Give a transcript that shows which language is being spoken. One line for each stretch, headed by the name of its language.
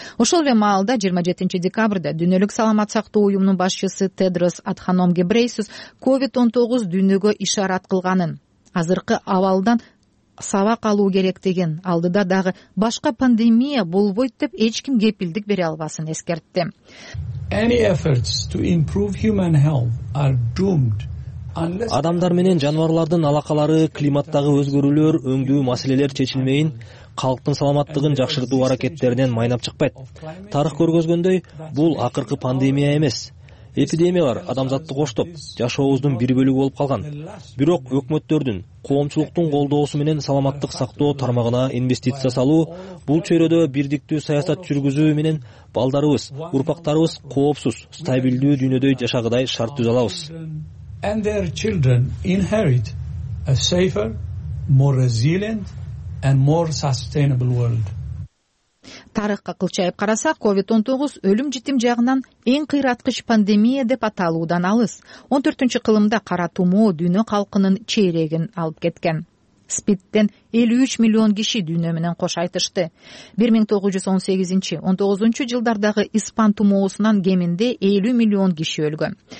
Kyrgyz: Ошол эле маалда 27 декабрда дүйнөлүк саламат сактоо уюмунун башчысы Тедрос Адханом Гебрейсус COVID-19 дүйнөгө ишарат кылганын, азыркы абалдан сабак алуу керектигин, алдыда дагы башка пандемия болбойт деп эч ким кепилдик бере албасын эскертти.
English: Any efforts to improve human health are doomed.
Kyrgyz: Адамдар менен жаныбарлардын алакалары, климаттагы өзгөрүүлөр, өңдүү маселелер чечилмейин, калктын саламаттыгын жакшыртуу аракеттеринен майнап чыкпайт. Тарых көргөзгөндөй, бул акыркы пандемия эмес. Эпидемиялар адамзатты коштоп, жашообуздун бир бөлүгү болуп калган. Бирок өкмөттөрдүн, коомчулуктун колдоосу менен саламаттык сактоо тармагына инвестиция салуу, бул чөйрөдө бирдиктүү саясат жүргүзүү менен балдарыбыз, урпактарыбыз коопсуз, стабилдүү дүйнөдө жашагыдай шарт түзөлөбүз.
English: And their children inherit a safer, more resilient and more sustainable world.
Kyrgyz: Тарыхка кылчайып карасак, COVID-19 өлүм житим жагынан эң кыйраткыч пандемия деп аталуудан алыс. 14-чү кылымда кара тумоо дүйнө калкынын чейрегин алып кеткен. СПИДден 53 миллион киши дүйнө менен кош айтышты. 1918-19 жылдардагы испан тумоосунан кеминде 50 миллион киши өлгөн.